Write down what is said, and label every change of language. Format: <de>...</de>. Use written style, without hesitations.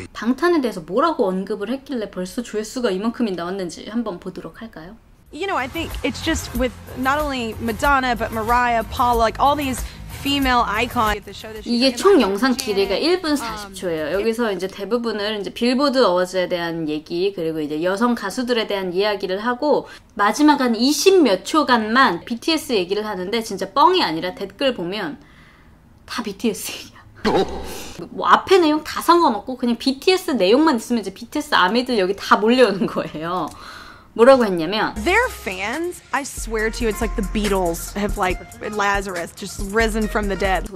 <ko>방탄에 대해서 뭐라고 언급을 했길래 벌써 조회수가 이만큼이 나왔는지 한번 보도록 할까요?</ko> <en>You know, I think it's just with not only Madonna but Mariah, Paula, like all these female icon at the show that she's</en> <ko>이게 총 영상 길이가 1분 40초예요. 여기서 이제 대부분을 이제 빌보드 어워즈에 대한 얘기, 그리고 이제 여성 가수들에 대한 이야기를 하고, 마지막 한 20몇 초간만 BTS 얘기를 하는데, 진짜 뻥이 아니라 댓글 보면 다 BTS 뭐 앞에 내용 다 상관없고 그냥 BTS 내용만 있으면 이제 BTS 아미들 여기 다 몰려오는 거예요. 뭐라고 했냐면,</ko> <en>Their fans, I swear to you, it's like the Beatles have like Lazarus just risen from the dead.</en>